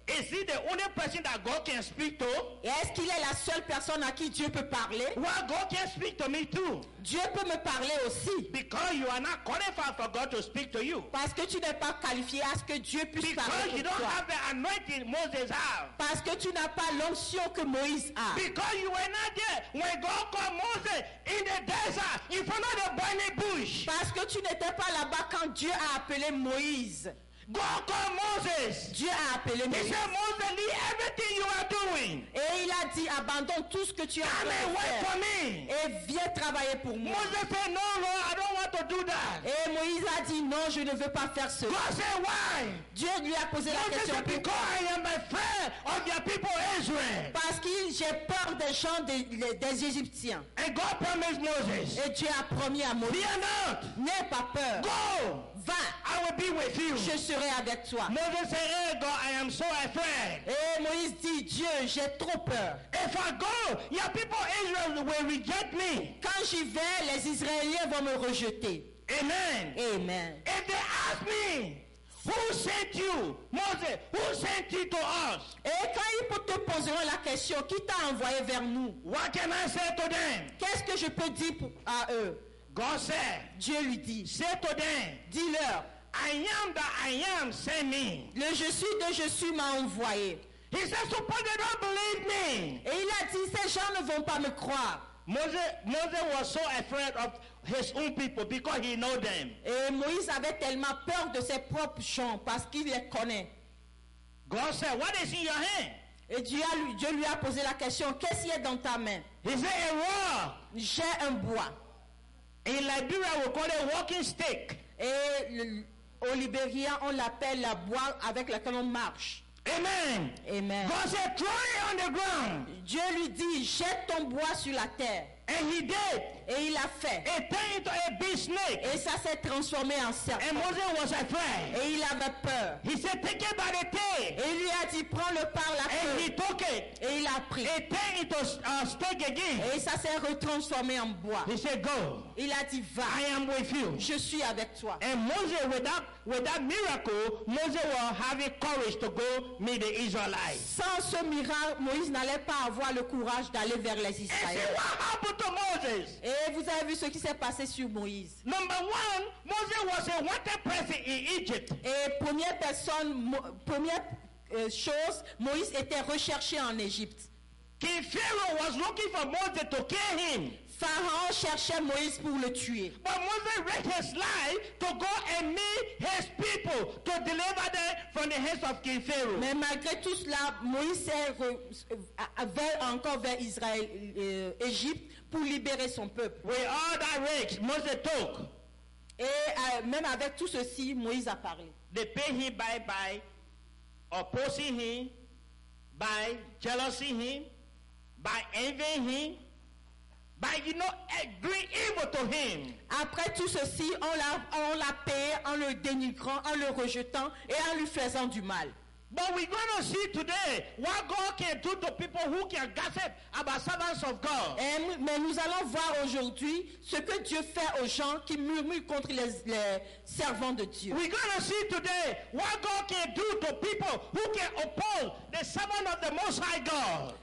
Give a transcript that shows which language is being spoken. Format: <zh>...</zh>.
<en>Is he the only person that God can speak to?</en> <fr>Est-ce qu'il est la seule personne à qui Dieu peut parler?</fr> <en>Well, God can speak to me too.</en> <fr>Dieu peut me parler aussi.</fr> <en>Because you are not qualified for God to speak to you.</en> <fr>Parce que tu n'es pas qualifié à ce que Dieu puisse parler.</fr> <en>Because you don't have the anointing Moses has.</en> <fr>Parce que tu n'as pas l'onction que Moïse a.</fr> <en>Because you were not there when God called Moses in the desert in front of the burning bush.</en> <fr>Parce que tu n'étais pas là-bas quand Dieu a appelé Moïse.</fr> <en>God called Moses.</en> <fr>Dieu a appelé Moïse.</fr> <en>He said, Moses, leave everything you are doing.</en> <fr>Et il a dit, abandonne tout ce que tu as fait.</fr> <en>Come and work for me.</en> <fr>Et viens travailler pour moi.</fr> <en>Moses said, no, Lord, I don't want to do that.</en> <fr>Et Moïse a dit, non, je ne veux pas faire ce.</fr> <en>God said, why?</en> <fr>Dieu lui a posé</fr> <en>Moses</en> <fr>la question.</fr> <en>Said, because I am afraid of your people Israel.</en> <fr>Parce que j'ai peur des gens des Égyptiens.</fr> <en>And God promised Moses.</en> <fr>Et Dieu a promis à Moïse.</fr> <en>Fear not.</en> <fr>N'aie pas peur.</fr> <en>Go.</en> <fr>Va.</fr> <en>I will be with you.</en> <fr>Je serai avec toi.</fr> <en>Moses said, hey God, I am so afraid.</en> <fr>Et Moïse dit, Dieu, j'ai trop peur.</fr> <en>If I go, your people Israel will reject me.</en> <fr>Quand j'y vais, les Israéliens vont me rejeter.</fr> <en>Amen.</en> <fr>Amen.</fr> <en>If they ask me, who sent you, Moses? Who sent you to us?</en> <fr>Et quand ils te poseront la question, qui t'a envoyé vers nous?</fr> <en>What can I say to them?</en> <fr>Qu'est-ce que je peux dire à eux?</fr> <en>God said,</en> <fr>Dieu lui dit,</fr> <en>say to them,</en> <fr>dis-leur,</fr> <en>I am that I am, send me.</en> <fr>Le je suis de je suis m'a envoyé.</fr> <en>He said, suppose they don't believe me.</en> <fr>Et il a dit, ces gens ne vont pas me croire.</fr> <en>Moses was so afraid of his own people because he knew them.</en> <fr>Et Moïse avait tellement peur de ses propres gens parce qu'il les connaît.</fr> <en>God said, what is in your hand?</en> <fr>Et Dieu lui a posé la question, qu'est-ce qui est dans ta main?</fr> <en>He said, a rock.</en> <fr>J'ai un bois.</fr> <en>In Liberia, we call it walking stick.</en> <fr>Et au Libéria, on l'appelle la boîte avec laquelle on marche.</fr> <en>Amen.</en> <fr>Amen.</fr> <en>God said, throw it on the ground.</en> <fr>Dieu lui dit, jette ton bois sur la terre.</fr> <en>And he did.</en> <fr>Et il a fait.</fr> <en>It turned into a big snake.</en> <fr>Et ça s'est transformé en serpent.</fr> <en>And Moses was afraid.</en> <fr>Et il avait peur.</fr> <en>He said, take it by the tail.</en> <fr>Et il lui a dit, prends-le par la queue.</fr> <en>And he took it.</en> <fr>Et il a pris.</fr> <en>It turned into a stick again.</en> <fr>Et ça s'est retransformé en bois.</fr> <en>He said, go.</en> <fr>Il a dit, va.</fr> <en>I am with you.</en> <fr>Je suis avec toi.</fr> <en>And Moses, with that miracle, Moses was having courage to go meet the Israelites.</en> <fr>Sans ce miracle, Moïse n'allait pas avoir le courage d'aller vers les Israélites.</fr> <en>And see what happened to Moses.</en> <fr>Et Et vous avez vu ce qui s'est passé sur Moïse.</fr> <en>Number one, Moses was a water prophet in Egypt.</en> <fr>Et première personne, première chose, Moïse était recherché en Égypte.</fr> <en>King Pharaoh was looking for Moses to kill him.</en> <fr>Pharaon cherchait Moïse pour le tuer.</fr> <en>But Moses risked his life to go and meet his people to deliver them from the hands of King Pharaoh.</en> <fr>Mais malgré tout cela, Moïse est encore vers Israël, Égypte, pour libérer son peuple.</fr> <en>With all that risk, Moses took.</en> <fr>Et même avec tout ceci, Moïse a parlé.</fr> <en>They paid him by opposing him, by jealousy him, by envying him. By you know, doing evil to him.</en> <fr>Après tout ceci, on l'a payé en le dénigrant, en le rejetant et en lui faisant du mal.</fr> <en>But we're going to see today what God can do to people who can gossip about servants of God.</en> <fr>Mais nous allons voir aujourd'hui ce que Dieu fait aux gens qui murmurent contre les servants de Dieu.</fr> <en>We're going to see today what God can do to people who can oppose the servant of the Most High God.</en>